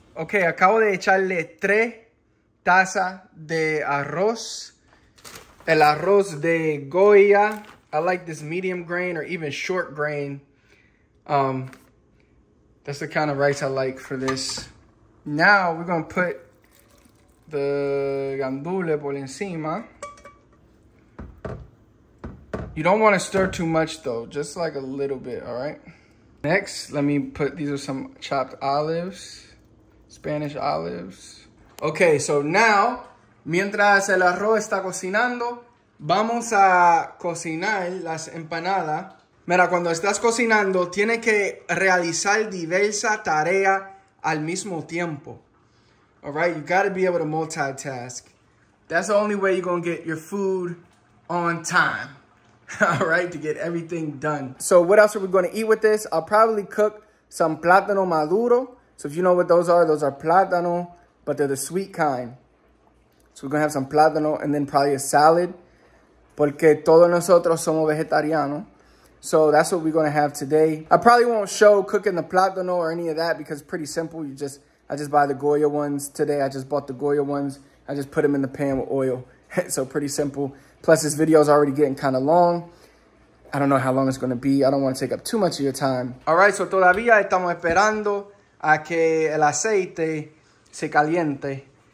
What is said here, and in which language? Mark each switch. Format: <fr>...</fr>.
<es>Okay, acabo de echarle tres taza de arroz, el arroz de Goya.</es> <en>I like this medium grain or even short grain. That's the kind of rice I like for this. Now we're gonna put the gandule</en> <es>por encima.</es> <en>You don't wanna stir too much though, just like a little bit, all right? Next, let me put, these are some chopped olives, Spanish olives. Okay, so now,</en> <es>mientras el arroz está cocinando, vamos a cocinar las empanadas. Mira, cuando estás cocinando, tienes que realizar diversa tarea al mismo tiempo.</es> <en>All right, you gotta be able to multitask. That's the only way you're gonna get your food on time. All right, to get everything done. So what else are we gonna eat with this? I'll probably cook some plátano maduro. So if you know what those are plátano. But they're the sweet kind. So we're going to have some plátano and then probably a salad.</en> <es>Porque todos nosotros somos vegetarianos.</es> <en>So that's what we're going to have today. I probably won't show cooking the plátano or any of that because it's pretty simple. I just buy the Goya ones today. I just bought the Goya ones. I just put them in the pan with oil. So pretty simple. Plus this video is already getting kind of long. I don't know how long it's going to be. I don't want to take up too much of your time. All right, so</en> <es>todavía estamos esperando a que el aceite se caliente.</es>